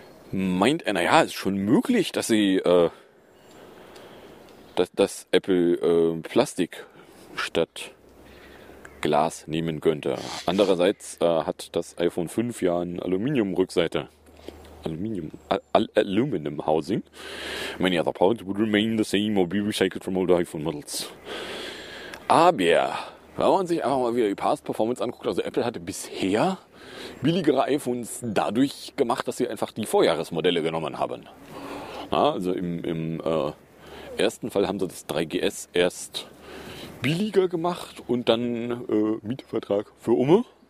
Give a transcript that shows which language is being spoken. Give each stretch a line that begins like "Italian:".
German: Meint er, naja, ist schon möglich, dass sie dass Apple Plastik statt Glas nehmen könnte. Andererseits hat das iPhone 5 ja eine Aluminium-Rückseite.
English: Aluminium housing. Many other parts would remain the same or be recycled from older iPhone models.
German: Aber wenn man sich einfach mal wieder die Past Performance anguckt, also Apple hatte bisher billigere iPhones dadurch gemacht, dass sie einfach die Vorjahresmodelle genommen haben. Ja, also im ersten Fall haben sie das 3GS erst billiger gemacht und dann Mietvertrag für Umme.